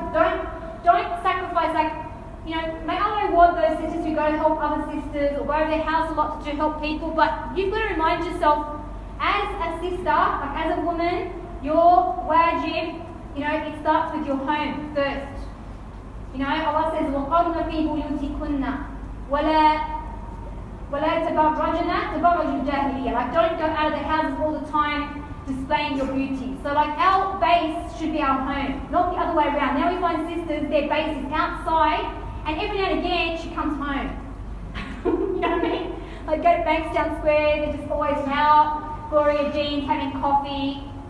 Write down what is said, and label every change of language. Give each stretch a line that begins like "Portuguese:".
English: Don't sacrifice, like, you know, may Allah reward those sisters who go to help other sisters or go to their house a lot to help people. But you've got to remind yourself, as a sister, like as a woman, your wajib, you know, it starts with your home first. You know, Allah says,
Arabic: وَقَرْنَ فِي بُيُوتِكُنَّ وَلَا تَبَرَّجْنَ تَبَرَّجُ الْجَاهِلِيَّةِ.
English: Like, don't go out of the houses all the time displaying your beauty. So, like, our base should be our home, not the other way around. Now we find sisters, their base is outside, and every now and again, she comes home. You know what I mean? Like, go to Bankstown Square, they're just always out, Gloria Jean's having coffee.